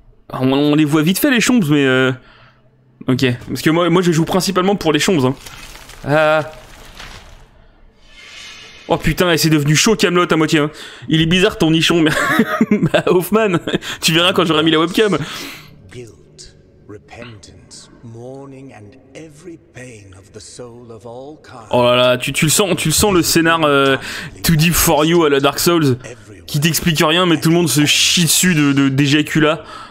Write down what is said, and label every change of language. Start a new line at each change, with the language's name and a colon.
French: On les voit vite fait les chombs, mais ok, parce que moi je joue principalement pour les chombs, hein. Oh putain, c'est devenu chaud Camelot à moitié, hein. Il est bizarre ton nichon, mais bah, Hoffman, tu verras quand j'aurai mis la webcam.
English: Guilt, repentance, mourning and every pain of the soul of all kind.
French: Oh là là, tu le sens le scénar Too Deep For You à la Dark Souls, qui t'explique rien mais tout le monde se chie dessus de d'éjacula.